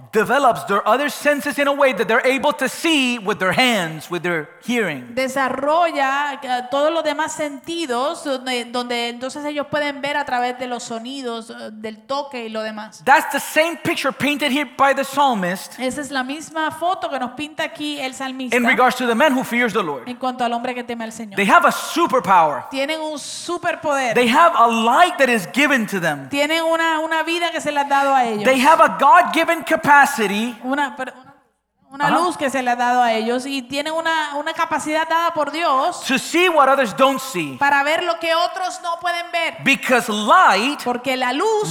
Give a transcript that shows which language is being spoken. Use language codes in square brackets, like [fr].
[en] Develops their other senses in a way that they're able to see with their hands, with their hearing. [es] Desarrolla todos los demás sentidos donde entonces ellos pueden ver a través de los sonidos, del toque y lo demás. [en] That's the same picture painted here by the psalmist. [es] Esa es la misma foto que nos pinta aquí el salmista. [en] In regards to the man who fears the Lord. [es] En cuanto al hombre que teme al Señor. [en] They have a superpower. [es] Tienen un superpoder. [en] They have a light that is given to them. [es] Tienen una vida que se le ha dado a ellos. [en] They have a God-given capacity. [es] Una luz que se le ha dado a ellos y tienen una capacidad dada por Dios. [en] To see what others don't see. [es] Para ver lo que otros no pueden ver. [en] Because light. [es] Porque la luz.